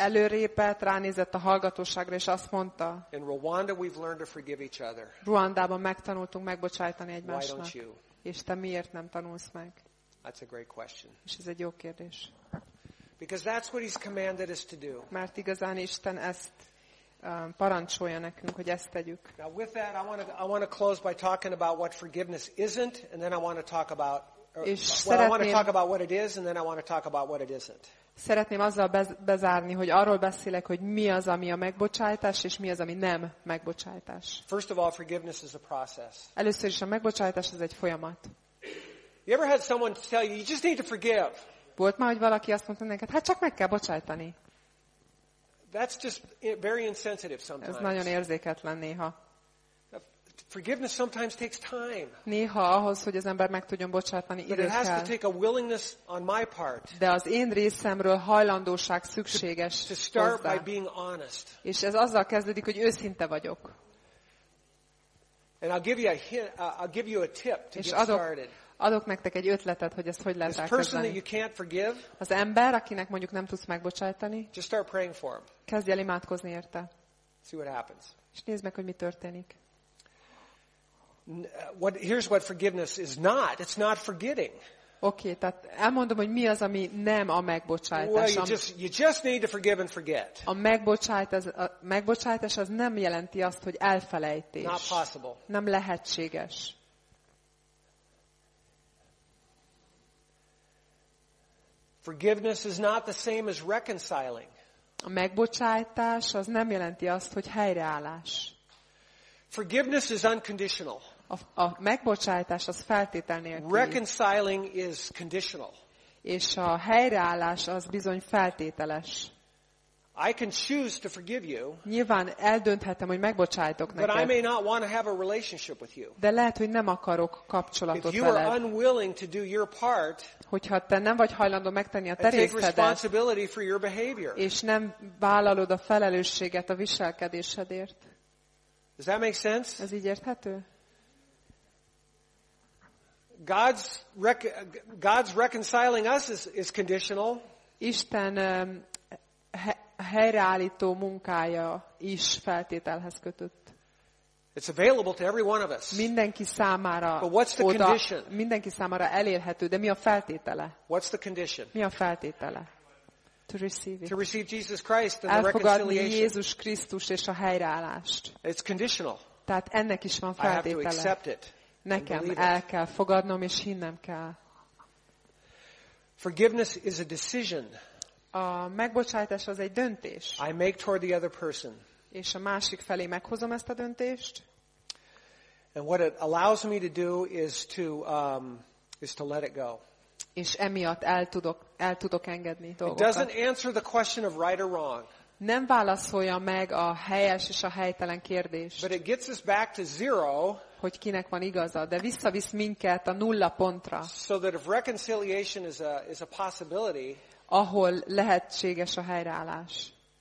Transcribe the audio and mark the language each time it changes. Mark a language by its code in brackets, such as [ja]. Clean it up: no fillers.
[hu] Előrépett, ránézett a hallgatóságra és azt mondta. [en] In Rwanda we've learned to forgive each other. [hu] Ruandában megtanultunk megbocsájtani egymásnak. [en] Why don't you? [hu] És te miért nem tanulsz meg? [en] That's a great question. [hu] És ez egy jó kérdés. [en] Because that's what he's commanded us to do. [hu] Mert igazán Isten ezt parancsolja nekünk, hogy ezt tegyük. [en] Now with that, I want to close by talking about what forgiveness isn't, and then I want to talk about. I want to talk about what it is, and then I want to talk about what it isn't. [hu] Szeretném azzal bezárni, hogy arról beszélek, hogy mi az, ami a megbocsájtás, és mi az, ami nem megbocsájtás. [en] First of all, forgiveness is a process. [hu] Először is a megbocsájtás ez egy folyamat. [en] You ever had someone tell you, you just need to forgive? [hu] Volt már, hogy valaki azt mondta neked, hát csak meg kell bocsájtani. [en] That's just very insensitive sometimes. [hu] Ez nagyon érzéketlen néha. [en] Forgiveness sometimes takes time. [hu] Néha ahhoz, hogy az ember meg tudjon bocsátani, idő kell. [en] But it has to take a willingness on my part. [hu] De az én részemről hajlandóság szükséges [en] to start by being honest. [hu] És ez azzal kezdődik, hogy őszinte vagyok. [en] And I'll give you a hint, I'll give you a tip to get started. [hu] adok nektek egy ötletet, hogy ezt hogy lehet elkezdeni. Az ember, akinek mondjuk nem tudsz megbocsájtani, kezdj el imádkozni érte. És nézd meg, hogy mi történik. [en] Here's what forgiveness is not. It's not forgetting. [hu] Oké, tehát elmondom, hogy mi az, ami nem a megbocsájtás. [en] Well, you just need to forgive and forget. [hu] A megbocsájtás az nem jelenti azt, hogy elfelejtés. [en] Not possible. [hu] Nem lehetséges. [en] Forgiveness is not the same as reconciling. [hu] A megbocsájtás az nem jelenti azt, hogy helyreállás. [en] Forgiveness is unconditional. [hu] A megbocsájtás az feltétel nélküli. [en] Reconciling is conditional. [hu] És a helyreállás az bizony feltételes. [en] I can choose to forgive you. [hu] Nyilván eldönthetem, hogy megbocsájtok neked. [en] But I may not want to have a relationship with you. [hu] De lehet, hogy nem akarok kapcsolatot veled. [en] If you are unwilling to do your part, [hu] hogyha te nem vagy hajlandó megtenni a te részedet, és nem vállalod a felelősséget a viselkedésedért. [en] Does that make sense? [hu] Ez így érthető? [en] God's reconciling us is conditional. [hu] Isten helyreállító munkája is feltételhez kötött. [en] It's available to every one of us. [hu] Mindenki számára. [en] But what's the condition? [hu] Mindenki számára elérhető, de mi a feltétele? [en] What's the condition? [hu] Mi a feltétele? [en] To receive it. To receive Jesus Christ and the reconciliation. [hu] Elfogadni Jézus Krisztus és a helyreállást. [en] It's conditional. [hu] Tehát ennek is van feltétele. [en] I have to accept it. [hu] Nekem el kell fogadnom és hinnem kell. [en] Forgiveness is a decision. [hu] A megbocsájtás az egy döntés. [en] I make toward the other person. [hu] És a másik felé meghozom ezt a döntést. [en] And what it allows me to do is to let it go. [hu] És emiatt el tudok engedni dolgokat. [en] It doesn't answer the question of right or wrong. [hu] Nem válaszolja meg a helyes és a helytelen kérdést. [en] But it gets us back to zero. [hu] Hogy kinek van igaza, de visszavisz minket a nulla pontra. [en] So that if reconciliation is a possibility, [hu] ahol lehetséges a helyreállás.